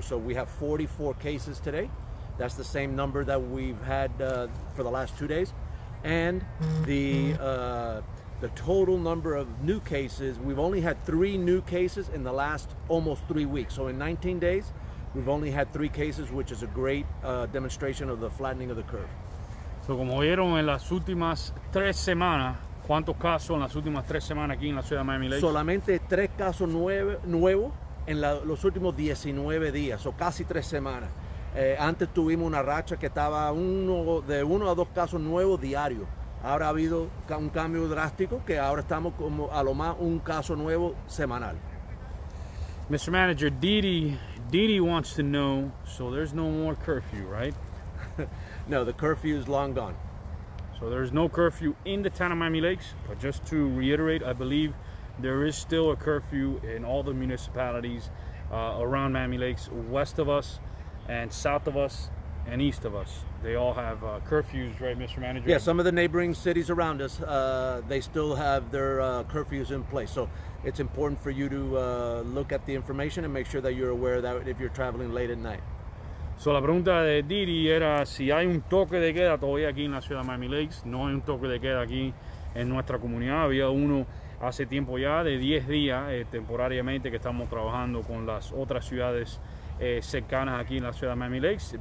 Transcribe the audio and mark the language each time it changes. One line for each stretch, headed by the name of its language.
English: So we have 44 cases today. That's the same number that we've had for the last 2 days. and the total number of new cases. We've only had 3 new cases in the last almost 3 weeks. So in 19 days, we've only had 3 cases, which is a great demonstration of the flattening of the curve.
Spanish: So como vieron en las últimas 3 semanas, ¿cuántos casos en las últimas 3 semanas aquí en la ciudad de Miami Lakes? Solamente 3 casos nuevos en los últimos 19 días, o casi 3 semanas. Antes tuvimos una racha que estaba de uno a dos casos nuevos diarios. Ahora ha habido un cambio drástico que ahora estamos como a lo más un caso nuevo semanal.
English: Mr. Manager, Didi wants to know, so there's no more curfew, right? No, the curfew is long gone. So there's no curfew in the town of Miami Lakes, but just to reiterate, I believe there is still a curfew in all the municipalities around Miami Lakes, west of us and south of us and east of us. They all have curfews, right, Mr. Manager? Yeah, some of the neighboring cities around us, they still have their curfews in place. So it's important for you to look at the information and make sure that you're aware of that if you're traveling late at night.
Spanish: So la pregunta de Didi era si hay un toque de queda todavía aquí en la ciudad de Miami Lakes. No hay un toque de queda aquí en nuestra comunidad. Había uno hace tiempo ya de 10 días temporariamente que estamos trabajando con las otras ciudades cercanas aquí en la ciudad de Miami Lakes.